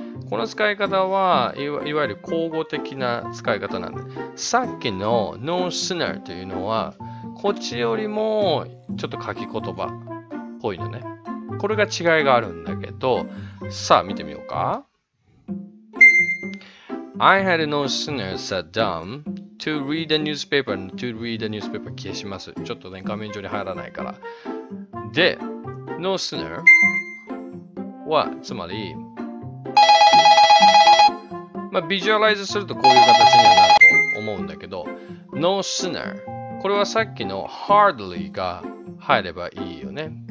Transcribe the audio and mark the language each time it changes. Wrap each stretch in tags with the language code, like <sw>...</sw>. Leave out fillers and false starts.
<ja>この使い方はいわゆる口語的な使い方なんで、さっきの</ja> <en>no sooner</en> <ja>というのはこっちよりもちょっと書き言葉っぽいのね。これが違いがあるんだけど、さあ見てみようか。</ja> <en>I had no sooner sat down to read the newspaper. To read the newspaper</en> <ja>消します。ちょっとね、画面上に入らないから。で、</ja> <en>no sooner</en> <ja>はつまり、ビジュアライズするとこういう形にはなると思うんだけど、 no sooner、 これはさっきの hardly が入ればいいよね。</ja>